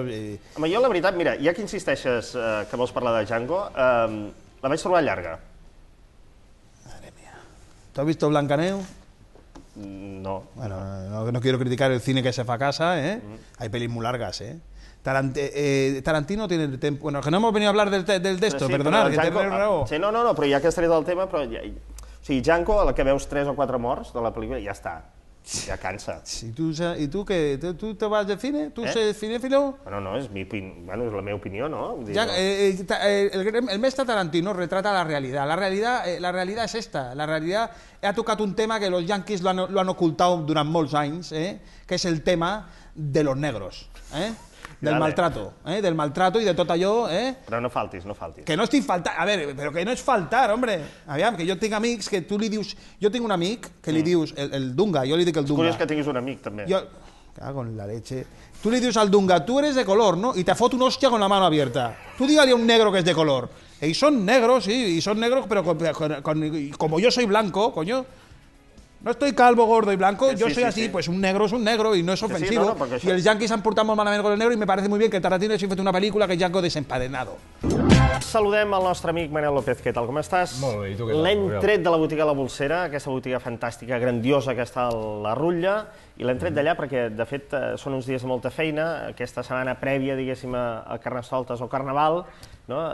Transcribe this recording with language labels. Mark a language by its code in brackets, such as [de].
[ca] Home, jo la veritat, mira, ja que insisteixes que vols parlar de Django, la vaig trobar llarga. [es] Madre mía. ¿Tú has visto Blancaneu? No. Bueno, no quiero criticar el cine que [ca] se fa a casa, [es] ¿eh? Mm. Hay pelis muy largas, ¿eh? Tarantino tiene el tempo... Bueno, que no hemos venido a hablar del de esto, sí, perdonad. [ca] Django... Sí, no, però ja que has tret el tema, però... Ja... O sigui, Django, la que veus 3 o 4 morts de la pel·lícula, ja està. Ja cansa. [es] Sí, ¿Y tú qué? ¿Tú te vas de cine? ¿Tú ser cinéfilo? Bueno, no, es [ca] la meva opinió, ¿no? [es] El mestre Tarantino retrata la realidad. La realidad es esta. La realidad [ca] ha tocat [es] un tema que los yanquis lo han ocultado [ca] durant molts anys, que és [es] el tema de los negros, del maltrato, del maltrato y [ca] de tot allò, Però no faltis. Que no estic faltant, a veure, però que no és faltar, hombre. Aviam, que jo tinc amics que tu li dius... Jo tinc un amic que li dius el Dunga, jo li dic el Dunga. És curiós que tinguis un amic, també. Jo, [es] cago en la leche. [ca] Tu li dius al Dunga, tu [es] eres de color, [ca] no? I te fot una hòstia [es] con la mano abierta. [ca] Tu digue-li a un negro que és de color. Ells són negros, sí, i són negros, però [es] como yo soy blanco, coño... No estoy calvo, gordo y blanco, sí, yo soy así, sí. Pues un negro es un negro y no es ofensivo. Sí, no, y [ca] els yanquis han portat molt malament [es] con el negro y me parece muy bien que Tarantino [ca] ha fet [es] una película que es Django Desencadenado. [ca] Saludem el nostre amic Manel López, què tal, com estàs? Molt bé, i tu què tal? L'hem tret de la botiga La Bolsera, aquesta botiga fantàstica, grandiosa que està a la Rutlla, i l'hem tret d'allà perquè, de fet, són uns dies de molta feina, aquesta setmana prèvia, diguéssim, a Carnestoltes o Carnaval, no?